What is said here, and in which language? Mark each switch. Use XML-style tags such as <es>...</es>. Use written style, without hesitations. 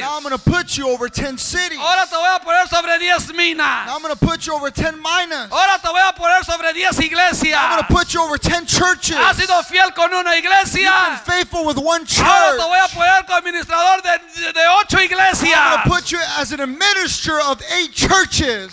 <en>Now I'm going to put you over 10 cities.</en> <es>Ahora te voy a poner sobre 10 minas.</es> <en>Now I'm going to put you over 10 minas.</en> <es>Ahora te voy a poner sobre 10 iglesias.</es> <en>Now I'm going to put you over 10 churches.</en> <es>Has sido fiel con una iglesia.</es> <en>You've been faithful with one church.</en> <es>Ahora te voy a poner como administrador de 8 iglesias.</es> <en>Now I'm going to put you as an administrator of 8 churches.</en>